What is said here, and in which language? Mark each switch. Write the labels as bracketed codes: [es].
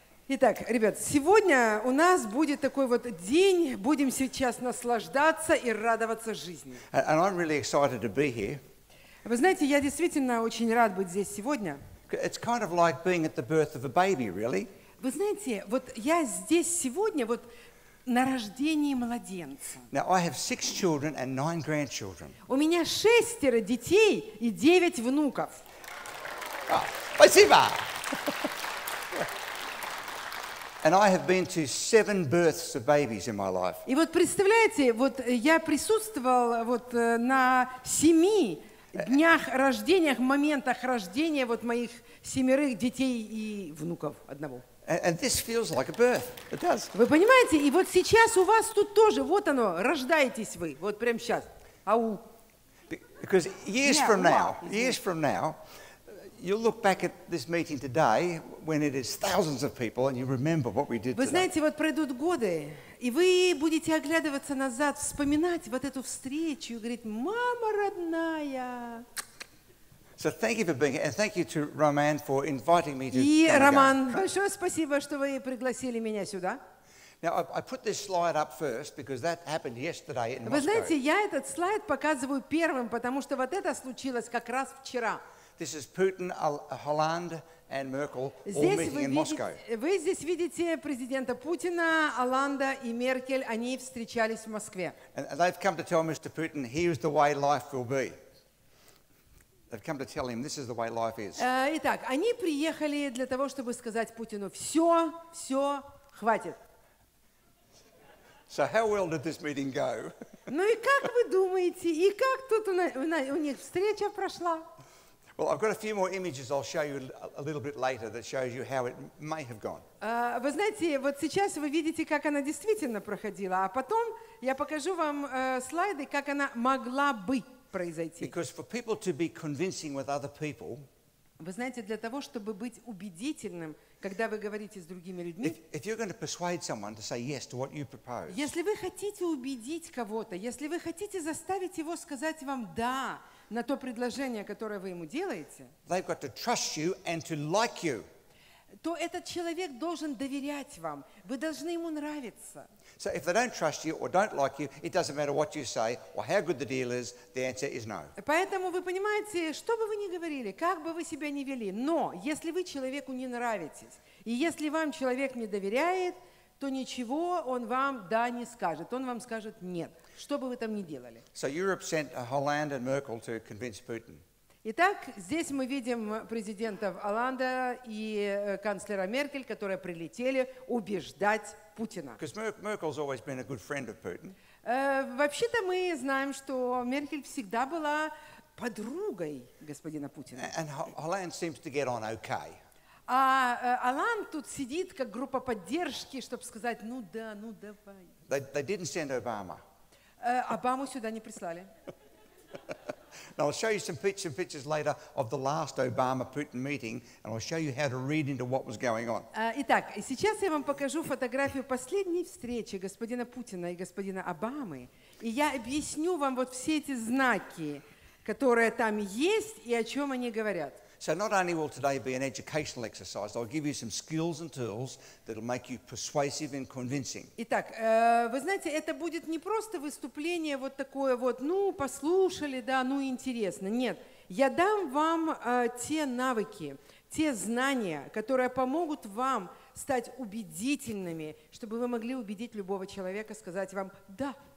[ru] Итак, ребят, сегодня у нас будет такой вот день, будем сейчас наслаждаться и радоваться жизни. [en] And I'm really excited to be here. [ru] Вы знаете, я действительно очень рад быть здесь сегодня. [en] It's kind of like being at the birth of a baby, really. [ru] Вы знаете, вот я здесь сегодня вот на рождении младенца. [en] Now I have 6 children and 9 grandchildren. [ru] У меня 6 детей и 9 внуков. Oh. Спасибо. [en] And I have been to 7 births of babies in my life. [ru] И вот представляете, вот я присутствовал вот на 7 днях рождениях, моментах рождения вот моих 7 детей и внуков одного. [en] And this feels like a birth. It does. [ru] Вы понимаете? И вот сейчас у вас тут тоже вот оно, рождаетесь вы, вот прямо сейчас. Ау. [en] Because years from now, years from now, you'll look back at this meeting today when it is thousands of people and you remember what we did today. [ru] Вы знаете, вот пройдут годы, и вы будете оглядываться назад, вспоминать вот эту встречу, и говорить: "Мама родная". [en] So thank you for being here and thank you to Roman for inviting me to. [ru] И Роман, большое спасибо, что вы пригласили меня сюда. [en] Now I put this slide up first because that happened yesterday in Moscow. [ru] Вы знаете, я этот слайд показываю первым, потому что вот это случилось как раз вчера. [en] This is Putin, Hollande, and Merkel all [ru] здесь [en] meeting [ru] вы [en] in Moscow. [ru] Вы здесь видите президента Путина, Оланда и Меркель. Они встречались в Москве. [en] And they've come to tell Mr. Putin, here's the way life will be. They've come to tell him, this is the way life is. [ru] Итак, они приехали для того, чтобы сказать Путину: все, хватит. [en] So how well did this meeting go? [ru] Ну и как вы думаете, и как тут у них встреча прошла? [en] Well, I've got a few more images I'll show you a little bit later that shows you how it may have gone. [ru] Вы знаете, вот сейчас вы видите, как она действительно проходила, а потом я покажу вам слайды, как она могла бы произойти. [en] Because for people to be convincing with other people, [ru] вы знаете, для того, чтобы быть убедительным, когда вы говорите с другими людьми, [en] if you're going to persuade someone to say yes to what you propose, [ru] если вы хотите убедить кого-то, если вы хотите заставить его сказать вам «да», на то предложение, которое вы ему делаете, [en] they've got to trust you and to like you. [ru] То этот человек должен доверять вам. Вы должны ему нравиться. [en] So if they don't trust you or don't like you, it doesn't matter what you say or how good the deal is, the answer is no. [ru] Поэтому вы понимаете, что бы вы ни говорили, как бы вы себя ни вели, но если вы человеку не нравитесь, и если вам человек не доверяет, то ничего он вам да не скажет. Он вам скажет нет. Что бы вы там ни делали. [en] So Europe sent Hollande and Merkel to convince Putin. [ru] Итак, здесь мы видим президентов Оланда и канцлера Меркель, которые прилетели убеждать Путина. [en] Because Merkel's always been a good friend of Putin. [ru] Вообще-то мы знаем, что Меркель всегда была подругой господина Путина. [en] And Hollande seems to get on okay. [ru] А Оланд тут сидит как группа поддержки, чтобы сказать, ну да, ну давай. [en] They didn't send Obama. [ru] Обаму сюда не прислали. [en] Now I'll show you some pictures later of the last Obama-Putin meeting, and I'll show you how to read into what was going on. [ru] Итак, сейчас я вам покажу фотографию последней встречи господина Путина и господина Обамы, и я объясню вам вот все эти знаки, которые там есть и о чем они говорят. [en] So not only will today be an educational exercise, I'll give you some skills and tools that'll make you persuasive and convincing. [ru] Итак, вы знаете, это будет не просто выступление вот такое вот, ну, послушали, да, ну, интересно. Нет, я дам вам те навыки, те знания, которые помогут вам стать убедительными, чтобы вы могли убедить любого человека сказать вам «да».